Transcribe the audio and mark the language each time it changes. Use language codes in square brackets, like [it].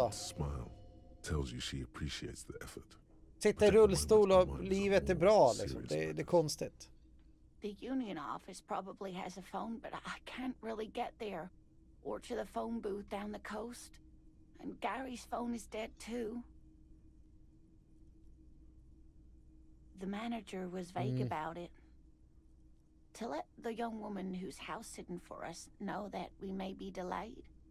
[en] A faint smile tells you she appreciates the effort. [sv] Sitta i rullstol och livet är bra, liksom. Det är konstigt. [en] The union office probably has a phone, but I can't really get there. Or to the phone booth down the coast. And Gary's phone is dead too. The manager was vague about it. To let the young woman who's house sitting for us know that we may be delayed.